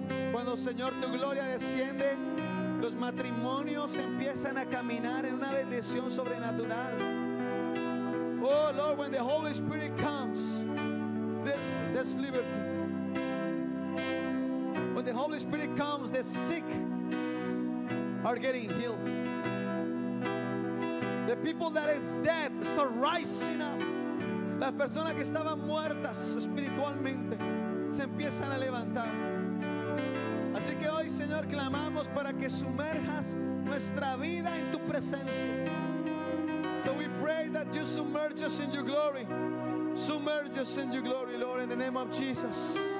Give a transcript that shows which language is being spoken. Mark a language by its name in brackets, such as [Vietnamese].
[Spanish] Cuando, Señor, tu gloria desciende, los matrimonios empiezan a caminar en una bendición sobrenatural. [English] Oh Lord, when the Holy Spirit comes, there's liberty. When the Holy Spirit comes, the sick are getting healed. The people that is dead start rising up. [Spanish] Las personas que estaban muertas espiritualmente se empiezan a levantar. Así que hoy, Señor, clamamos para que sumerjas nuestra vida en tu presencia. [English] So we pray that you submerge us in your glory. Submerge us in your glory, Lord, in the name of Jesus.